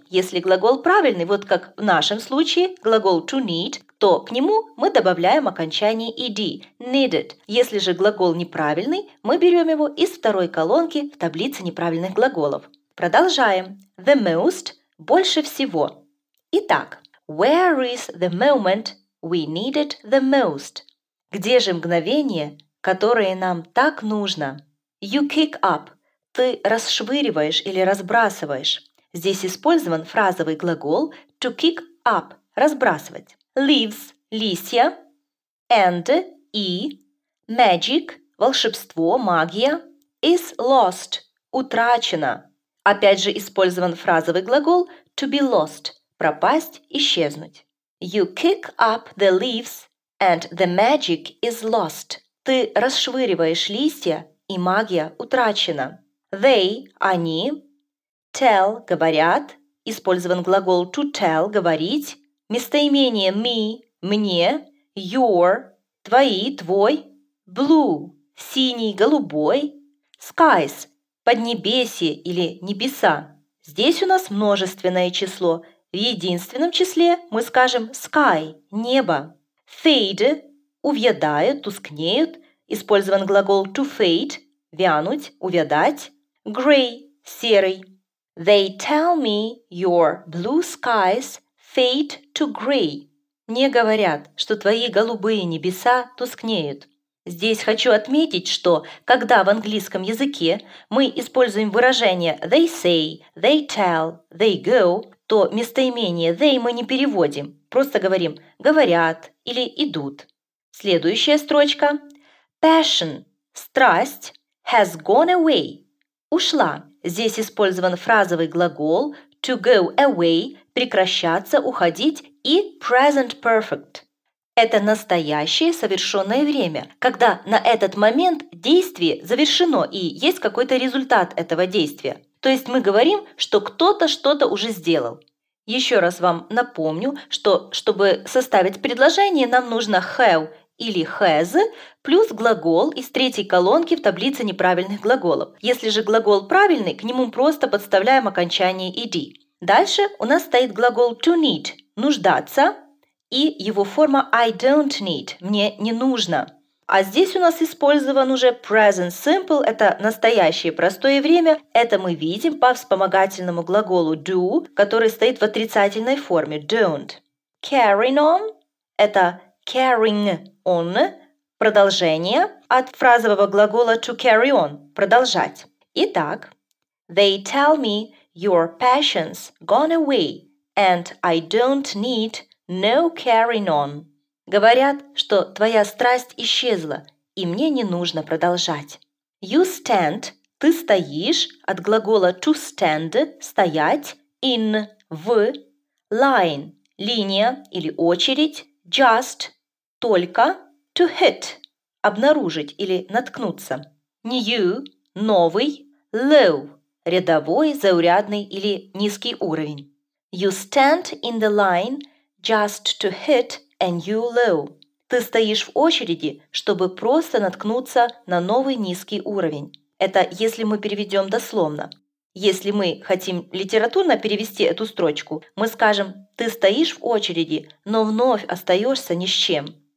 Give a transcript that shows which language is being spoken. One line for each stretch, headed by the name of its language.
Russian: Если глагол правильный, вот как в нашем случае, глагол
English: to need,
Russian: то к нему мы добавляем окончание ed – needed. Если же глагол неправильный, мы берем его из второй колонки в таблице неправильных глаголов». Продолжаем.
English: The most
Russian: – больше всего. Итак,
English: where is the moment we needed the most?
Russian: Где же мгновение, которое нам так нужно?
English: You kick up
Russian: – ты расшвыриваешь или разбрасываешь. Здесь использован фразовый глагол
English: to kick up
Russian: – разбрасывать. Leaves – листья. And – и. Magic – волшебство, магия.
English: Is lost –
Russian: утрачено. Опять же использован фразовый глагол
English: to be lost
Russian: – пропасть, исчезнуть.
English: You kick up the leaves and the magic is lost.
Russian: Ты расшвыриваешь листья, и магия утрачена. They – они. Tell – говорят. Использован глагол
English: to tell
Russian: – говорить. Местоимение me – мне. Your – твои, твой. Blue – синий, голубой. Skies – поднебесье или небеса. Здесь у нас множественное число. В единственном числе мы скажем sky – небо. Fade – увядают, тускнеют. Использован глагол
English: to fade
Russian: – вянуть, увядать. Gray – серый.
English: They tell me your blue skies fade to gray.
Russian: Мне говорят, что твои голубые небеса тускнеют. Здесь хочу отметить, что когда в английском языке мы используем выражение
English: they say, they tell, they go,
Russian: то местоимение they мы не переводим, просто говорим говорят или идут. Следующая строчка.
English: Passion –
Russian: страсть
English: has gone away –
Russian: ушла. Здесь использован фразовый глагол
English: to go away
Russian: – прекращаться, уходить и
English: present perfect.
Russian: Это настоящее совершенное время, когда на этот момент действие завершено и есть какой-то результат этого действия. То есть мы говорим, что кто-то что-то уже сделал. Еще раз вам напомню, что чтобы составить предложение, нам нужно have или has плюс глагол из третьей колонки в таблице неправильных глаголов. Если же глагол правильный, к нему просто подставляем окончание ed. Дальше у нас стоит глагол to need – нуждаться. И его форма
English: I don't need
Russian: – мне не нужно. А здесь у нас использован уже
English: present simple
Russian: – это настоящее простое время. Это мы видим по вспомогательному глаголу do, который стоит в отрицательной форме – don't.
English: Carrying on –
Russian: это
English: carrying on –
Russian: продолжение от фразового глагола
English: to carry on –
Russian: продолжать. Итак,
English: they tell me your passion's gone away and I don't need no carrying on.
Russian: Говорят, что твоя страсть исчезла, и мне не нужно продолжать.
English: You stand
Russian: – ты стоишь, от глагола
English: to stand
Russian: – стоять, in – в. Line – линия или очередь. Just – только.
English: To hit
Russian: – обнаружить или наткнуться. New – новый. Low – рядовой, заурядный или низкий уровень.
English: You stand in the line – just to hit a new low.
Russian: Ты стоишь в очереди, чтобы просто наткнуться на новый низкий уровень. Это если мы переведем дословно. Если мы хотим литературно перевести эту строчку, мы скажем «ты стоишь в очереди, но вновь остаешься ни с чем».